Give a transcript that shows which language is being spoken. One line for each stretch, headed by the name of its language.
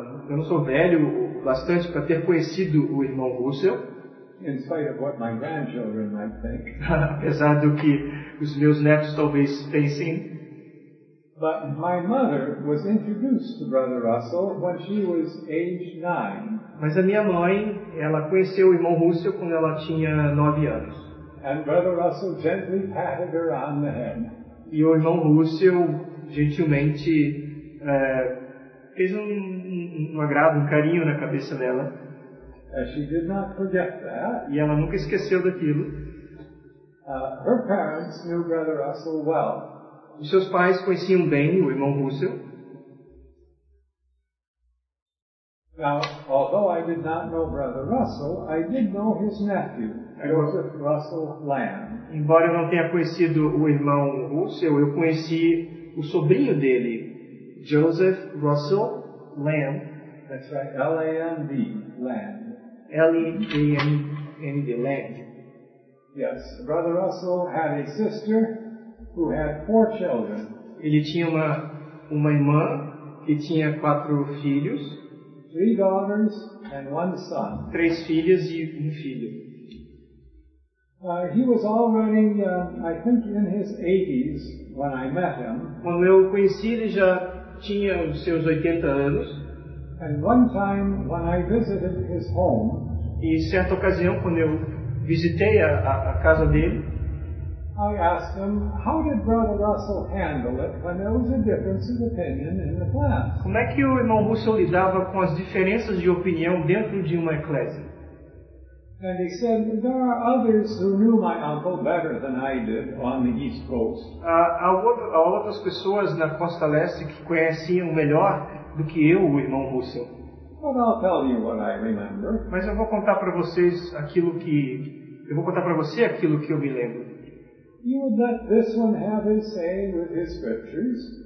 Portuguese: Eu não sou velho bastante para ter conhecido o irmão Russell.
English: In spite of what my grandchildren might think.
Portuguese: Apesar do que os meus netos talvez pensem.
English: But my mother was introduced to Brother Russell when she was age 9.
Portuguese: Mas a minha mãe, ela conheceu o irmão Russell quando ela tinha 9 anos.
English: And Brother Russell gently patted her on the head.
Portuguese: E o irmão Russell gentilmente fez um agrado, um carinho na cabeça dela.
English: And she did not forget that.
Portuguese: E ela nunca esqueceu daquilo.
English: Her parents knew Brother Russell well.
Portuguese: E seus pais conheciam bem o irmão Russell.
English: Now, although I did not know Brother Russell, I did know his nephew, Joseph Russell Lamb.
Portuguese: Embora eu não tenha conhecido o irmão Russell, eu conheci o sobrinho dele, Joseph Russell Lamb.
English: That's right, L-A-M-B, Lamb.
Portuguese: L-E-A-N-D, Lamb.
English: Yes, Brother Russell had a sister who had 4 children.
Portuguese: Ele tinha uma irmã que tinha 4 filhos.
English: 3 daughters and 1 son.
Portuguese: 3 filhas e 1 filho.
English: He was already, I think, in his 80s when I met him.
Portuguese: Quando eu o conheci, ele já tinha os seus 80 anos.
English: And one time when I visited his home,
Portuguese: e certa ocasião quando eu visitei a casa dele,
English: I asked him, how did Brother Russell handle it when there was a difference of opinion in the class?
Portuguese: Como é que o irmão Russell lidava com as diferenças de opinião dentro de uma eclésia?
English: And he said, there are others who knew my uncle better than I did on the East Coast.
Portuguese: Há outras pessoas na Costa Leste que conheciam melhor do que eu, o irmão Russell.
English: But I'll tell you what I remember.
Portuguese: Mas eu vou contar para vocês aquilo que eu vou contar para você aquilo que eu me lembro.
English: You would let this one have his say with his scriptures.